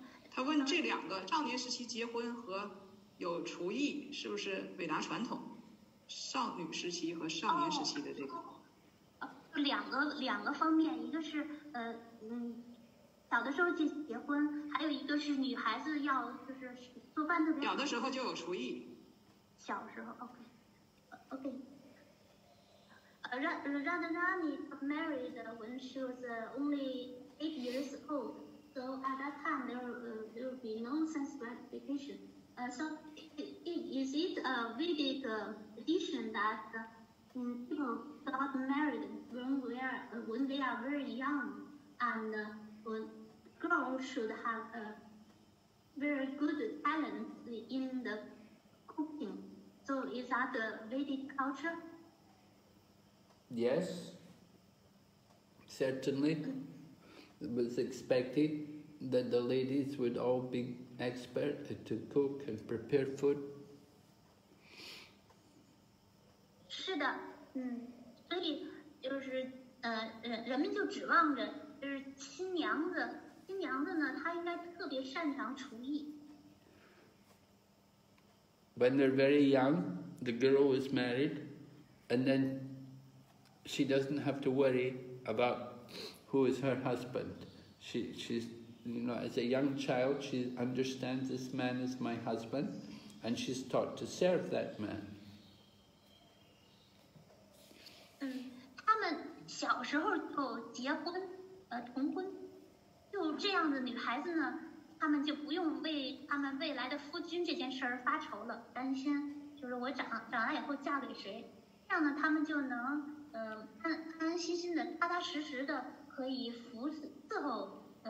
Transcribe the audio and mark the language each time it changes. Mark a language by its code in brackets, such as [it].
[zh] 他问这两个少年时期结婚和有厨艺是不是伟大传统？少女时期和少年时期的这个。两个方面，一个是小的时候就结婚，还有一个是女孩子要就是做饭特别。小的时候就有厨艺。小时候， [en] OK。 [zh] 让 [en] Radharani married when she was only 8 years old。 So at that time, there will be no sanctification. So is it a Vedic tradition that people got married when they are very young, and when girls should have a very good talent in the cooking? So is that the Vedic culture? Yes, certainly. It was expected that the ladies would all be expert to cook and prepare food. [zh] 是的，所以就是人们就指望着就是新娘子呢，她应该特别擅长厨艺。 [en] When they're very young, the girl is married, and then she doesn't have to worry about who is her husband. She's, you know, as a young child, she understands this man is my husband, and she's taught to serve that man. [zh] 他们小时候就结婚，同婚，就这样的女孩子呢，他们就不用为他们未来的夫君这件事儿发愁了，担心就是我长大以后嫁给谁，这样呢，他们就能安心心的、踏踏实实的可以伺候。